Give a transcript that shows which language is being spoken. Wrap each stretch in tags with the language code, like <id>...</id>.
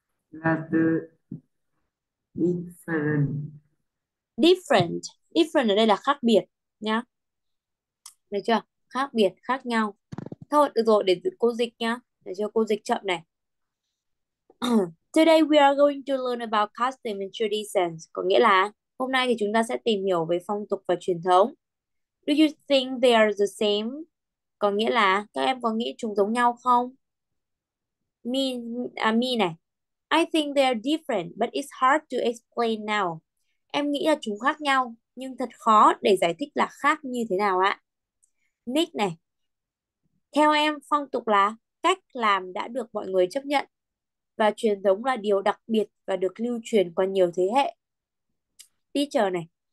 <vi>Là từ different.</vi> <en>Different.</en> <vi>Different ở đây là khác biệt nhá. Được chưa? Khác biệt, khác nhau. Thôi, được rồi, để cô dịch nhá. Để cho cô dịch chậm này.</vi> <en>Today we are going to learn about custom and traditions.</en> <vi>Có nghĩa là hôm nay thì chúng ta sẽ tìm hiểu về phong tục và truyền thống.</vi> <en>Do you think they are the same?</en> <vi>Có nghĩa là các em có nghĩ chúng giống nhau không? Me này.</vi> <en>I think they are different, but it's hard to explain now.</en> <vi>Em nghĩ là chúng khác nhau, nhưng thật khó để giải thích là khác như thế nào ạ. Nick này. Theo em, phong tục là cách làm đã được mọi người chấp nhận, và truyền thống là điều đặc biệt và được lưu truyền qua nhiều thế hệ. Teacher này.</vi>